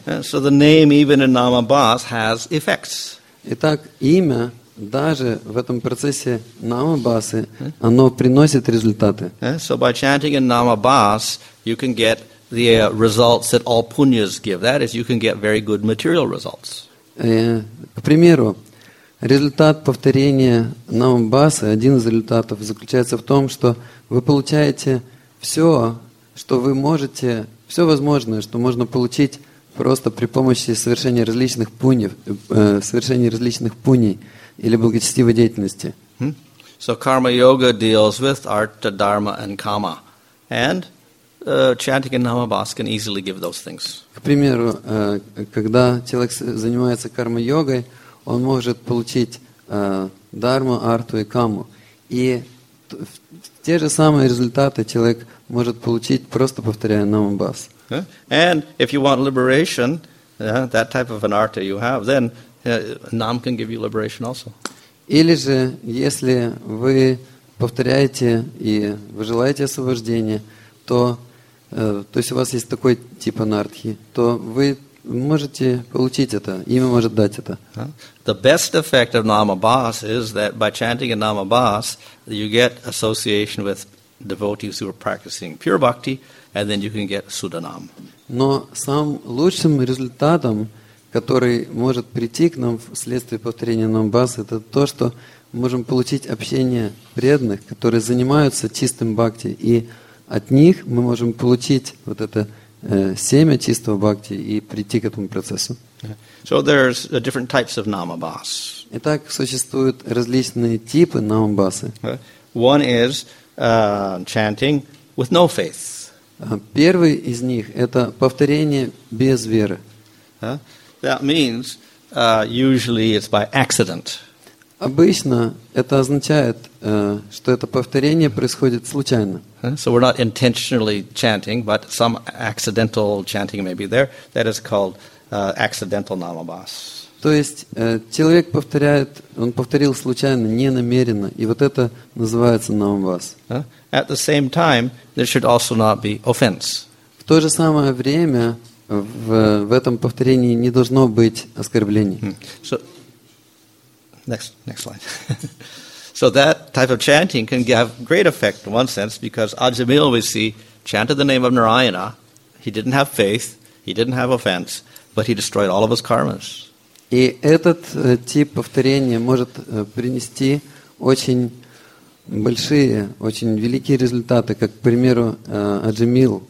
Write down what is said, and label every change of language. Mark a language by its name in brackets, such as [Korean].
[English] So the name even in Namabas has effects. [Russian] Итак, имя даже в этом процессе Намабасы, оно приносит результаты. [English] So by chanting in Namabas, you can get the results that all punyas give. That is, you can get very good material results. [Russian] К примеру, результат повторения Намабасы, один из результатов заключается в том, что вы получаете все, что вы можете, все возможное, что можно получить просто при помощи совершения различных пуньев, совершения различных пуней или благочестивой деятельности. [English] So karma yoga deals with artha, dharma and kama. And chanting in Namabas can easily give those things. [Russian] К примеру, когда человек занимается карма-йогой, он может получить дарму, арту и каму. И те же самые результаты человек может получить, просто повторяя Намабас. [English] And if you want liberation, that type of an artha you have, then Nam can give you liberation also. [Russian] Или же, если вы повторяете и вы желаете освобождения, то есть у вас есть такой тип анартхи, то вы можете получить это, имя может дать это. [English] The best effect of Namabas is that by chanting in Namabas, you get association with devotees who are practicing pure bhakti, and then you can get Sudanam. [Russian] Но самым лучшим результатом, который может прийти к нам вследствие повторения Намабас, это то, что мы можем получить общение преданных, которые занимаются чистым бхакти, и от них мы можем получить вот это семя чистого бхакти и прийти к этому процессу. [English] So there's different types of Namabas. [Russian] Итак, существуют различные типы Намабасы. [English] One is chanting with no faith. [Russian] Первый из них – это повторение без веры. [English] That means usually it's by accident. [Russian] Обычно это означает, что это повторение происходит случайно. [English] So we're not intentionally chanting, but some accidental chanting may be there. That is called accidental Namabas. [Russian] То есть человек повторяет, он повторил случайно, не намеренно, и вот это называется Намабас. [English] At the same time, there should also not be offense. [Russian] В то же самое время в этом повторении не должно быть оскорблений. [English] So, next slide. So that type of chanting can have great effect in one sense, because Ajamil, we see, chanted the name of Narayana, he didn't have faith, he didn't have offense, but he destroyed all of his karmas. [Russian] И этот тип повторения может принести очень большие, очень великие результаты, как, к примеру, Аджамил.